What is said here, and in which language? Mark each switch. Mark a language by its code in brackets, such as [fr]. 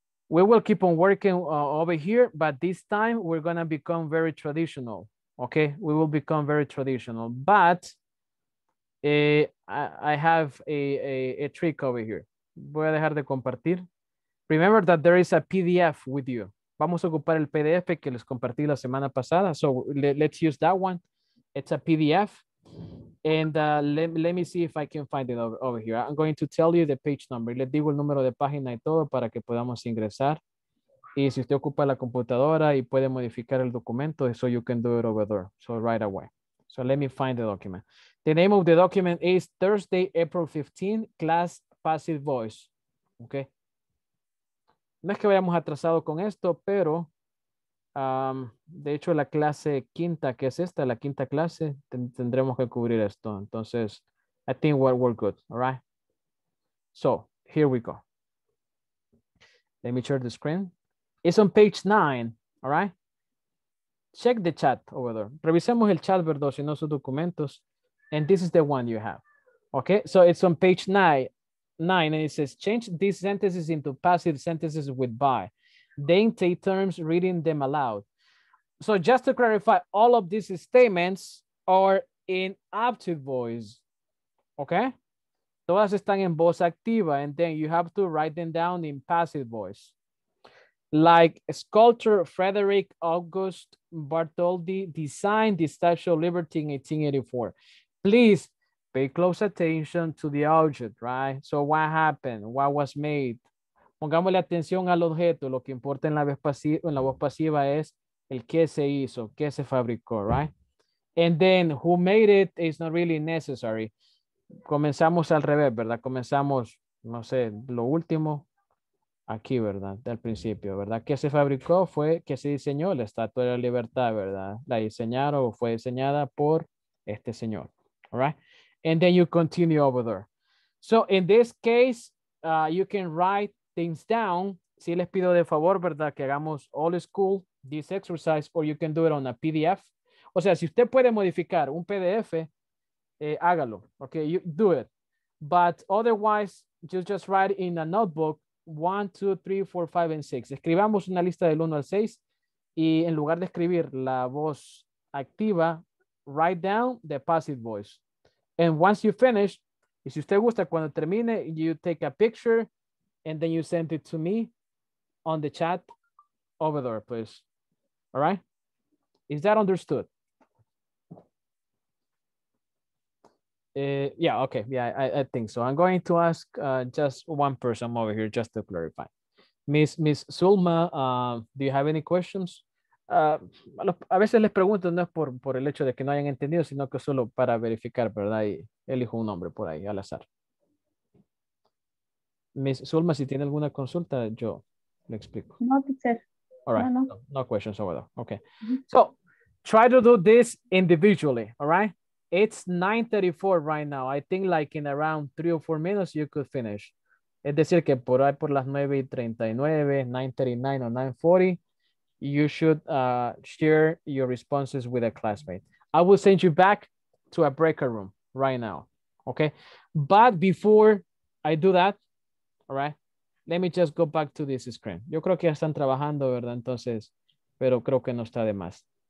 [en] We will keep on working over here, but this time we're gonna become very traditional, okay? We will become very traditional, but I have a trick over here. [es] Voy a dejar de compartir. [en] Remember that there is a PDF with you. [es] Vamos a ocupar el PDF que les compartí la semana pasada. [en] So let's use that one. It's a PDF. And let me see if I can find it over here. I'm going to tell you the page number. [es] Les digo el número de página y todo para que podamos ingresar. Y si usted ocupa la computadora y puede modificar el documento, [en] so you can do it over there. So right away. So let me find the document. The name of the document is Thursday, April 15, class passive voice. Okay. [es] No es que vayamos atrasado con esto, pero de hecho la clase quinta, que es esta, la quinta clase, tendremos que cubrir esto. [en] Entonces, I think we're good, all right? So, here we go. Let me share the screen. It's on page 9, all right? Check the chat over there. [es] Revisemos el chat, verdad, si no sus documentos. [en] And this is the one you have, okay? So it's on page 9, and it says, change these sentences into passive sentences with by. Then take turns reading them aloud. So just to clarify, all of these statements are in active voice, okay? [es] Todas están en voz activa, [en] and then you have to write them down in passive voice. Like sculptor Frederick August Bartholdi designed the Statue of Liberty in 1884. Please pay close attention to the object, right? So what happened? What was made? [es] Pongámosle atención al objeto. Lo que importa en la voz pasiva, es el qué se hizo, qué se fabricó, right? [en] And then who made it is not really necessary. [es] Comenzamos al revés, ¿verdad? Comenzamos, no sé, lo último aquí, ¿verdad? Del principio, ¿verdad? ¿Qué se fabricó? Fue que se diseñó la Estatua de la Libertad, ¿verdad? La diseñaron o fue diseñada por este señor. [en] All right, and then you continue over there. So in this case, you can write things down. [es] Si les pido de favor, verdad, que hagamos [en] old school this exercise, or you can do it on a PDF. [es] O sea, si usted puede modificar un PDF, hágalo. [en] Okay, you do it. But otherwise, you just write in a notebook 1, 2, 3, 4, 5, and 6. [es] Escribamos una lista del 1 al 6, y en lugar de escribir la voz activa, [en] write down the passive voice. And once you finish, [es] y si usted gusta, cuando termine, [en] you take a picture and then you send it to me on the chat over there, please. All right? Is that understood? Yeah, okay. Yeah, I think so. I'm going to ask just one person over here just to clarify. Miss Zulma, do you have any questions? [es] A veces les pregunto, no es por el hecho de que no hayan entendido, sino que solo para verificar, ¿verdad? Y elijo un nombre por ahí, al azar. Miss Zulma, si tiene alguna consulta, yo le explico. [en] No, teacher. All right. No questions over there. Okay. So, try to do this individually, all right? It's 9:34 right now. I think like in around 3 or 4 minutes, you could finish. [es] Es decir, que por ahí por las 9:39, 9:39 o 9:40, [en] you should share your responses with a classmate. I will send you back to a breakout room right now, okay? But before I do that, all right, let me just go back to this screen. [es] Yo creo que ya están trabajando, ¿verdad? Entonces, pero creo que no está de más.